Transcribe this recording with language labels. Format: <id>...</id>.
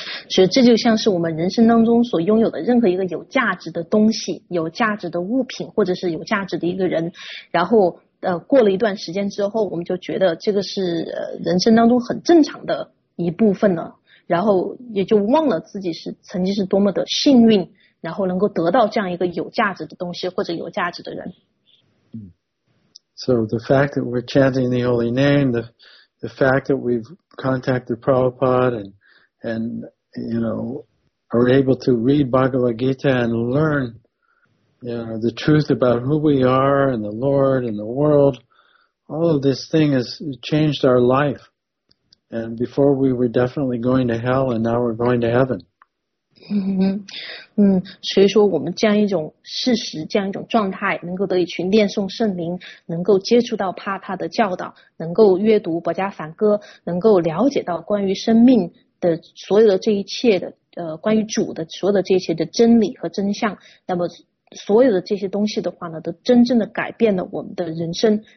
<zh>所以这就像是我们人生当中所拥有的任何一个有价值的东西，有价值的物品，或者是有价值的一个人，然后过了一段时间之后，我们就觉得这个是人生当中很正常的一部分了，然后也就忘了自己是曾经是多么的幸运，然后能够得到这样一个有价值的东西或者有价值的人。</zh> <en>So the fact that we're chanting the holy name, the fact that we've contacted Prabhupada and, you know, are able to read Bhagavad Gita and learn, you know, the truth about who we are and the Lord and the world, all of this thing has changed our life. And before we were definitely going to hell and now we're going to heaven.</en> <zh>所以说我们这样一种事实，这样一种状态，能够得以去念诵圣灵，能够接触到帕塔的教导，能够阅读《薄伽梵歌》，能够了解到关于生命的所有的这一切的关于主的所有的这些的真理和真相，那么所有的这些东西的话呢，都真正的改变了我们的人生。</zh>